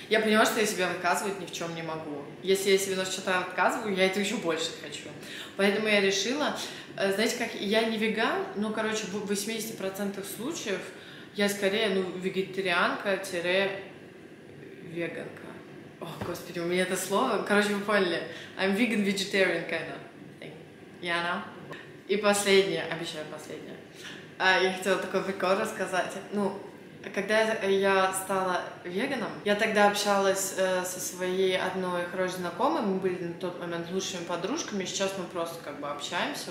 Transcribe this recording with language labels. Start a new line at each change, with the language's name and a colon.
Russian: Я понимаю, что я себе отказывать ни в чем не могу. Если я себе что-то отказываю, я это еще больше хочу. Поэтому я решила, знаете как, я не веган, но, короче, в 80% случаев я скорее, ну, вегетарианка-веганка. О, господи, у меня это слово. Короче, вы поняли.
English: I'm vegan vegetarian kind of thing. Yeah, no?
Russian: И последнее, обещаю последнее. Я хотела такой прикол рассказать. Ну, когда я стала веганом, я тогда общалась со своей одной хорошей знакомой. Мы были на тот момент лучшими подружками. Сейчас мы просто как бы общаемся.